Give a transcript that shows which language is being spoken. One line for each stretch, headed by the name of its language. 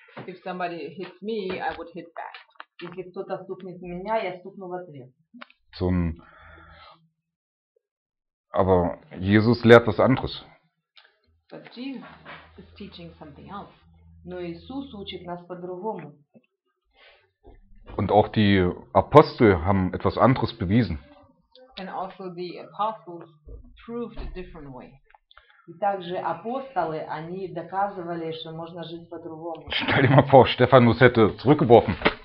English: If somebody hits me, I would hit back.
Russian: Если кто-то стукнет меня, я стукну в ответ.
German: Aber Jesus lehrt was anderes.
English: But Jesus is teaching something else.
Russian: Но Иисус учит нас по-другому.
German: Und auch die Apostel haben etwas anderes bewiesen.
English: And also the apostles proved a different way.
Russian: И также апостолы, они доказывали, что можно жить по-другому.
German: Stell dir mal vor, Stephanus hätte zurückgeworfen.